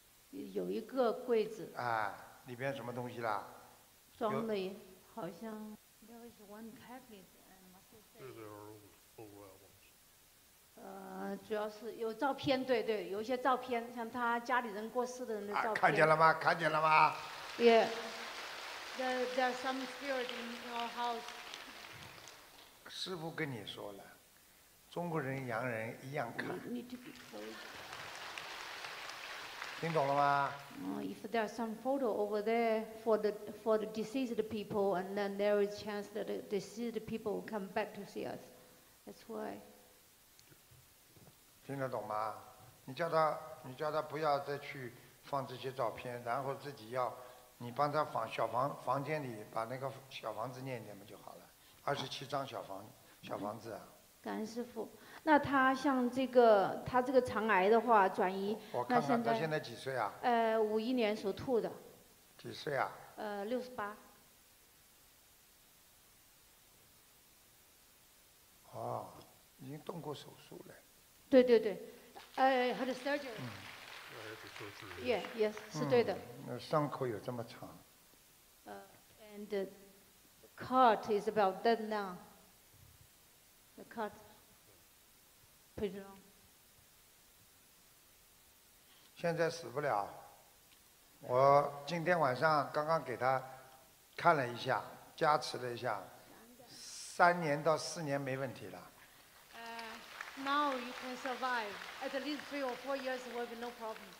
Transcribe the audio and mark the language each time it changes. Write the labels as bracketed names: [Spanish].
[Chinese] 有一个柜子。啊，里边什么东西啦？装的好像。 [English] There is one cabinet and must be. There are old albums. [Chinese] 主要是有照片，对对，有一些照片，像他家里人过世的人的照片。啊、看见了吗？看见了吗 [English] ？Yeah, there are some spirit in your house. [Chinese] 师父跟你说了，中国人、洋人一样看。你这个可以。听懂了吗？ [English] If there are some photo over there for the deceased people, and then there is chance that the deceased people will come back to see us. That's why. [Chinese] 听得懂吗？你叫他不要再去放这些照片，然后自己要你帮他房小房房间里把那个小房子念一念就好了，27张小房子啊。感恩师父。那他像这个，他这个肠癌的话转移，我看那现在他现在几岁啊？ 51年属兔的。几岁啊？ 68。哦，已经动过手术了。对对对， [English] had a surgery。 [Chinese] 嗯， [English] yes, [Chinese] 是对的。那伤口有这么长。 [English] And cut is about that long. The cut. [Chinese] 现在死不了，我今天晚上刚刚给他看了一下，加持了一下，3年到4年没问题了。 [English] Now you can survive. At least 3 or 4 years will be no problem.